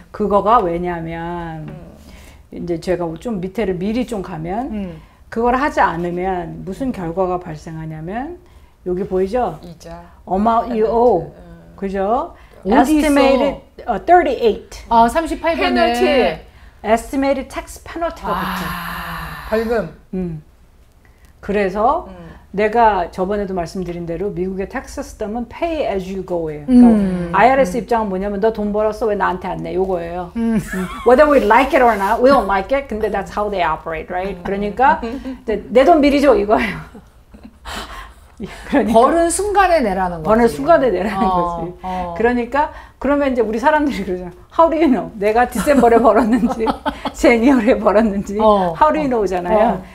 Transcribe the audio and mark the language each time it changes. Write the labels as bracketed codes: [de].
[ko] 그거가 왜냐면 이제 제가 좀 밑에를 미리 좀 가면 그걸 하지 않으면 무슨 결과가 발생하냐면 여기 보이죠? 이자. [en] Amount you owe. [ko] 그죠? 어디 estimated 있어? 38. 아, 38번에. [en] Penalty. [ko] Estimated tax penalty가 붙죠. 벌금. 그래서 내가 저번에도 말씀드린 대로 미국의 tax system은 pay as you go예요. 그러니까 IRS 입장은 뭐냐면 너 돈 벌었어 왜 나한테 안 내? 요거예요. [en] Whether we like it or not, we don't like it. [ko] 근데 [en] that's how they operate, right? [ko] 그러니까 내 돈 미리 줘 이거예요. 그러니까 벌은 순간에 내라는 거지. 벌은 순간에 내라는 거지. 그러니까 그러면 이제 우리 사람들이 그러잖아. [en] How do you know? [ko] 내가 디셈버에 벌었는지, 제니얼에 벌었는지, [en] how do you know [ko] 잖아요.